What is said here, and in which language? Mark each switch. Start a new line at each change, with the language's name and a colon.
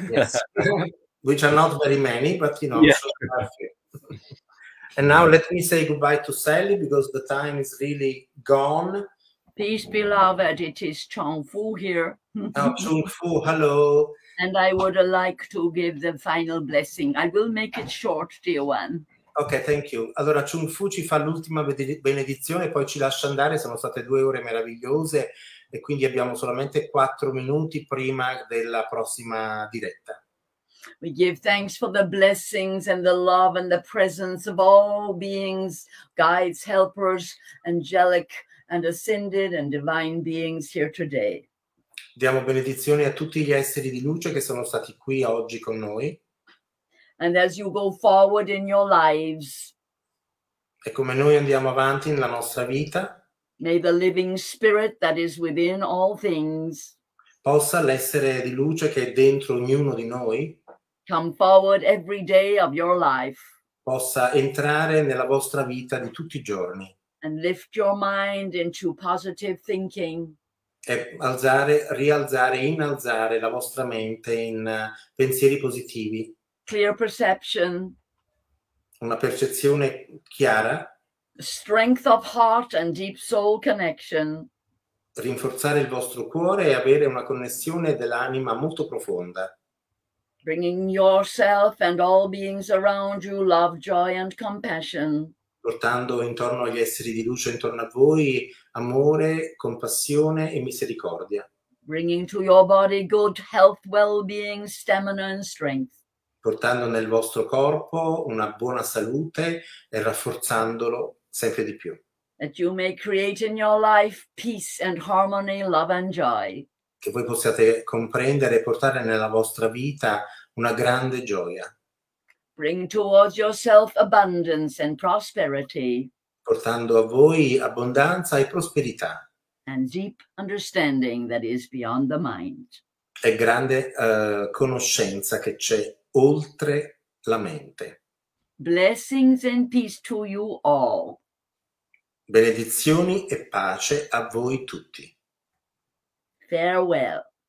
English: Yes, which are not very many, but, you know. Yeah. So and now let me say goodbye to Sally because the time is really gone. Peace, beloved. It is Chung Fu here. Chung Fu, hello. And I would like to give the final blessing. I will make it short, dear one. Okay, thank you.
Italian: Allora, Chung Fu ci fa l'ultima benedizione, poi ci lascia andare. Sono state due ore meravigliose e quindi abbiamo solamente 4 minuti prima della prossima diretta.
English: We give thanks for the blessings and the love and the presence of all beings, guides, helpers, angelic and ascended and divine beings here today.
Italian: Diamo benedizioni a tutti gli esseri di luce che sono stati qui oggi con noi.
English: And as you go forward in your lives,
Italian: e come noi andiamo avanti nella nostra vita,
English: may the living spirit that is within all things
Italian: possa l'essere di luce che è dentro ognuno di noi
English: come forward every day of your life,
Italian: possa entrare nella vostra vita di tutti i giorni
English: and lift your mind into positive thinking.
Italian: E alzare, rialzare, innalzare la vostra mente in pensieri positivi.
English: Clear perception.
Italian: Una percezione chiara.
English: Strength of heart and deep soul connection.
Italian: Rinforzare il vostro cuore e avere una connessione dell'anima molto profonda.
English: Bringing yourself and all beings around you love, joy and compassion.
Italian: Portando intorno agli esseri di luce intorno a voi amore, compassione e misericordia.
English: Bringing to your body good health, well-being, stamina and strength.
Italian: Portando nel vostro corpo una buona salute e rafforzandolo sempre di più.
English: That you may create in your life peace and harmony, love and joy.
Italian: Che voi possiate comprendere e portare nella vostra vita una grande gioia.
English: Bring towards yourself abundance and prosperity.
Italian: Portando a voi abbondanza e prosperità.
English: And deep understanding that is beyond the mind.
Italian: E grande conoscenza che c'è oltre la mente.
English: Blessings and peace to you all.
Italian: Benedizioni e pace a voi tutti.
English: Farewell.